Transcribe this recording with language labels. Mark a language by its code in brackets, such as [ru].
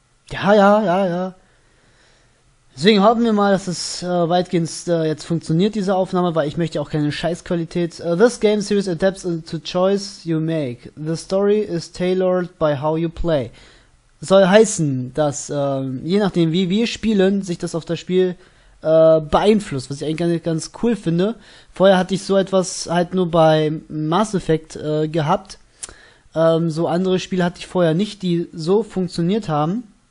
[de] Ja. Deswegen hoffen wir mal, dass es weitgehend jetzt funktioniert, diese Aufnahme, weil ich möchte auch keine Scheißqualität. [en] This game series adapts to choice you make. The story is tailored by how you play. [de] Soll heißen, dass je nachdem wie wir spielen, sich das auf das Spiel beeinflusst, was ich eigentlich ganz cool finde. Vorher hatte ich so etwas halt nur bei Mass Effect gehabt. So andere Spiele hatte ich vorher nicht, die so funktioniert haben.